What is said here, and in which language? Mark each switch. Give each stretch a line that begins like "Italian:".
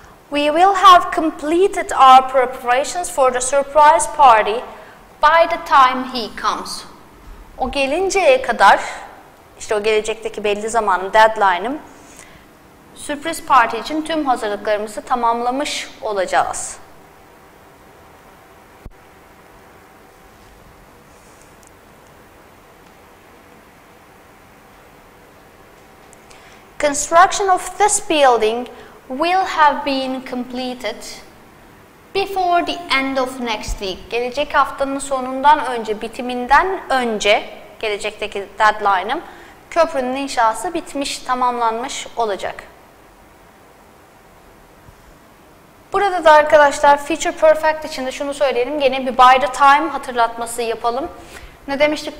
English: We will have completed our preparations for the surprise party by the time he comes.
Turkish: O gelinceye kadar, işte o gelecekteki belli zamanın deadline'ım, sürpriz parti için tüm hazırlıklarımızı tamamlamış olacağız.
English: Construction of this building will have been completed before the end of next week.
Turkish: Gelecek haftanın sonundan önce, bitiminden önce, gelecekteki deadline'ım, köprünün inşası bitmiş, tamamlanmış olacak. Burada da arkadaşlar Future Perfect için de şunu söyleyelim, gene bir by the time hatırlatması yapalım. Ne demiştik?